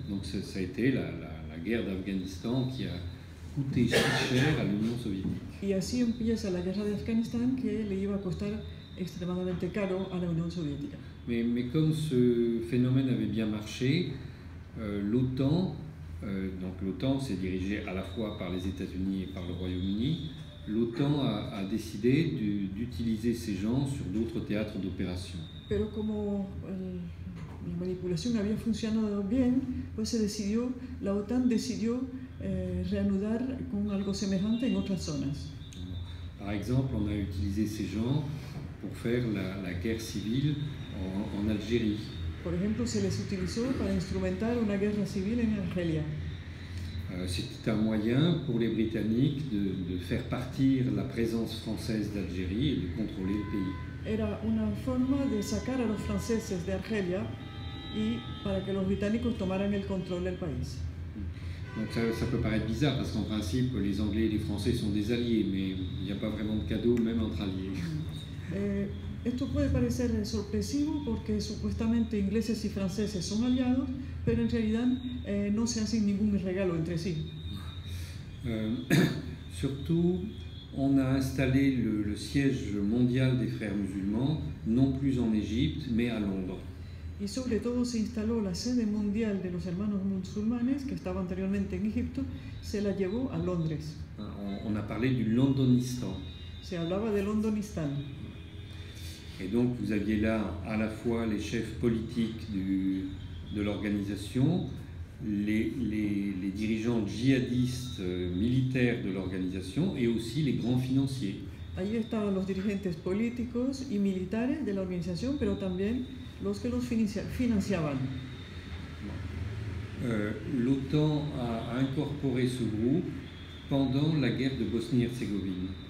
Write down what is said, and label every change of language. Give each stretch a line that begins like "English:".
French: Donc ça a été la guerre d'Afghanistan qui a coûté si cher à l'Union Soviétique.
Spanish: Y así empieza la guerra de Afganistán que le iba a costar extremadamente caro a la Unión Soviética.
French: Mais comme ce phénomène avait bien marché, l'OTAN s'est dirigé à la fois par les États-Unis et par le Royaume-Uni. L'OTAN a décidé d'utiliser ces gens sur d'autres théâtres d'opération.
Spanish: Pero como la manipulación había funcionado bien, pues la OTAN decidió reanudar con algo semejante en otras zonas.
French: Par exemple, on a utilisé ces gens pour faire la guerre civile en Algérie.
Spanish: Por ejemplo, se les utilizó para instrumentar una guerra civil en Argelia.
French: C'était un moyen pour les Britanniques de faire partir la présence française d'Algérie et de contrôler le pays.
Spanish: Era una forma de sacar a los franceses de Argelia y para que los británicos tomaran el control del país.
French: Donc ça peut paraître bizarre parce qu'en principe les Anglais et les Français sont des alliés, mais il n'y a pas vraiment de cadeau même entre alliés.
Spanish: Esto puede parecer sorpresivo porque supuestamente ingleses y franceses son aliados, pero en realidad no se hacen ningún regalo entre sí.
French: Surtout, on a installé le siège mondial des frères musulmans, non plus en Égypte, mais à Londres.
Spanish: Y sobre todo se instaló la sede mundial de los hermanos musulmanes, que estaba anteriormente en Egipto, se la llevó a Londres.
French: On a parlé du Londonistan.
Spanish: Se hablaba de Londonistan.
French: Et donc vous aviez là à la fois les chefs politiques de l'organisation les dirigeants djihadistes militaires de l'organisation et aussi les grands financiers.
Spanish: Allí estaban los dirigentes políticos y militares de la organización, pero también los que los financiaban.
French: L'OTAN a incorporé ce groupe pendant la guerre de Bosnie-Herzégovine.